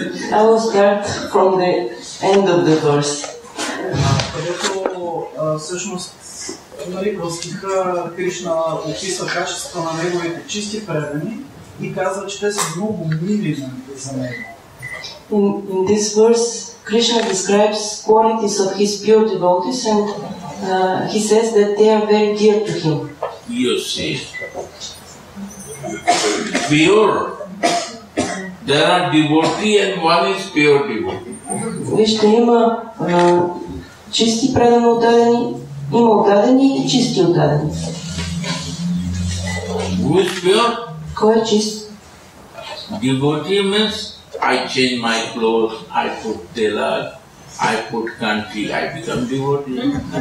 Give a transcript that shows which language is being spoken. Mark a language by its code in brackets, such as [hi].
[en] I will start from the end of the verse. [bg] Където всъщност в стиха Кришна описва качеството на неговите чисти предани и казва, че те са много мили за него. [en] In this verse, Krishna describes qualities of his pure devotees and he says that they are very dear to him. You see, pure, there are devotee and one is pure devotee. [bg] Вижте, има чисти предани отдадени, има отдадени и чисти отдадени. [en] Who is pure? [bg] Кой е чист? [en] Devotee means I change my clothes, I put telag, I put kanti, I become devotee.